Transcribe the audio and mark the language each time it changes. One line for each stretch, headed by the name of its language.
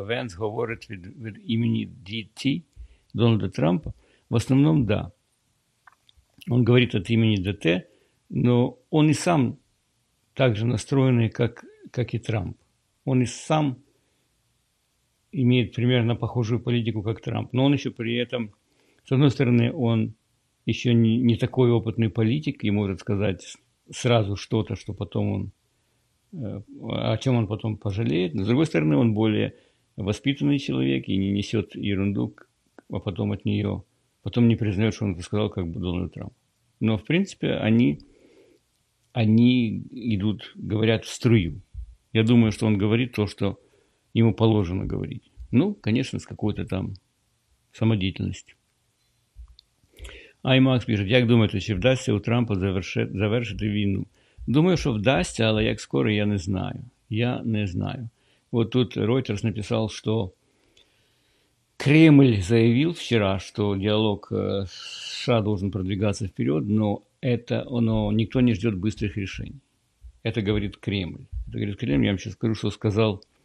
Ukrainian: Венс говорить від імені ДТ Дональда Трампа».
Russian: В основном, да. Он говорит от имени ДТ, но он и сам так же настроенный, как и Трамп. Он и сам имеет примерно похожую политику, как Трамп. Но он еще при этом, с одной стороны, он еще не такой опытный политик и может сказать сразу что-то, что потом он, о чем он потом пожалеет. Но с другой стороны, он более воспитанный человек и не несет ерунду, а потом от нее... Потом не признает, что он это сказал, как бы Дональд Трамп. Но, в принципе, они идут, говорят в струю. Я думаю, что он говорит то, что ему положено говорить. Ну, конечно, с какой-то там самодеятельностью.
Ukrainian: Аймакс пишет: «Як думаєте, чи вдасться у Трампа завершити війну?» Думаю, що вдасться, але як скоро, я не знаю.
Russian: Я не знаю. Вот тут Reuters написал, что Кремль заявил вчера, что диалог США должен продвигаться вперед, но никто не ждет быстрых решений. Это говорит Кремль. Я вам сейчас скажу, что сказал